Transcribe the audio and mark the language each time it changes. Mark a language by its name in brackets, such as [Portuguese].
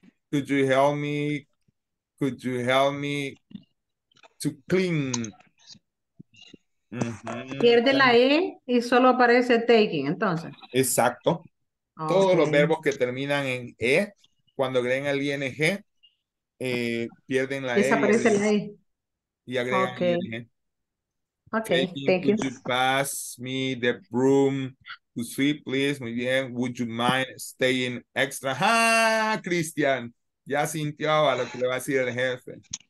[English] Could you help me? Could you help me to clean? [Spanish] Pierde la E y solo aparece taking, entonces. Exacto. Okay. Todos los verbos que terminan en E, cuando agregan el ING, pierden la E. Desaparece la E. Y agregan ING. [English] Okay, thank you. Could you pass me the broom to sweep, please? [Spanish] Muy bien. [English] Would you mind staying extra? ¡Ah, Cristian! [Spanish] Ya sintió a lo que le va a decir el jefe.